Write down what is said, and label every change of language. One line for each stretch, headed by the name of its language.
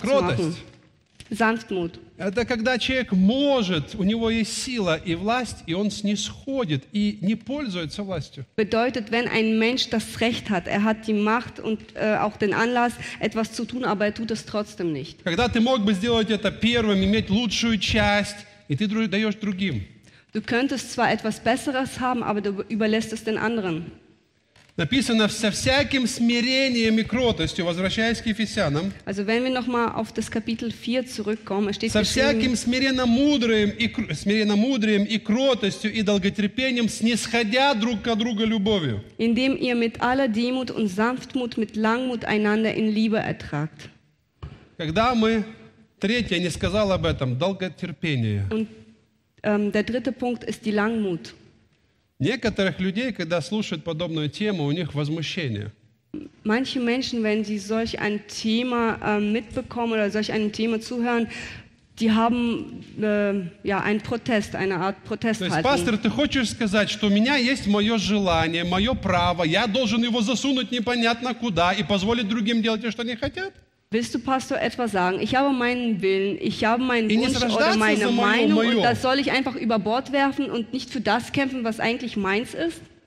Russian: Кротость.
German: Zu machen. Sanftmut.
Russian: Это когда человек может, у него есть сила и власть, и он снисходит и не пользуется властью.
German: Bedeutet, wenn ein Mensch das Recht hat, er hat die Macht und auch den Anlass, etwas zu tun, aber er tut es trotzdem nicht.
Russian: Когда ты мог бы сделать это первым, иметь лучшую часть, и ты даешь другим.
German: Du könntest zwar etwas Besseres haben, aber du überlässt es den anderen.
Russian: Написано «со всяким смирением и кротостью», возвращаясь к Ефесянам.
German: Also, wenn wir noch mal auf das Kapitel 4 zurückkommen, steht
Russian: «со всяким смиренно-мудрым и кротостью и долготерпением, снисходя друг к другу любовью».
German: Indem ihr mit aller Demut und Sanftmut, mit Langmut einander in Liebe ertragt.
Russian: Когда мы, третье, не сказал об этом, долготерпение.
German: Und der dritte Punkt ist die Langmut.
Russian: Некоторых людей, когда слушают подобную тему, у них возмущение.
German: Manche Menschen, wenn sie solch ein Thema mitbekommen oder solch einem Thema zuhören, die haben ja einen Protest, eine Art Protesthaltung.
Russian: То есть, пастор, ты хочешь сказать, что у меня есть мое желание, мое право, я должен его засунуть непонятно куда и позволить другим делать то, что они хотят?
German: Willst du, Pastor, etwas sagen? Ich habe meinen Willen, ich habe meinen Wunsch oder meine Meinung und das soll ich einfach über Bord werfen und nicht für das kämpfen, was eigentlich meins ist?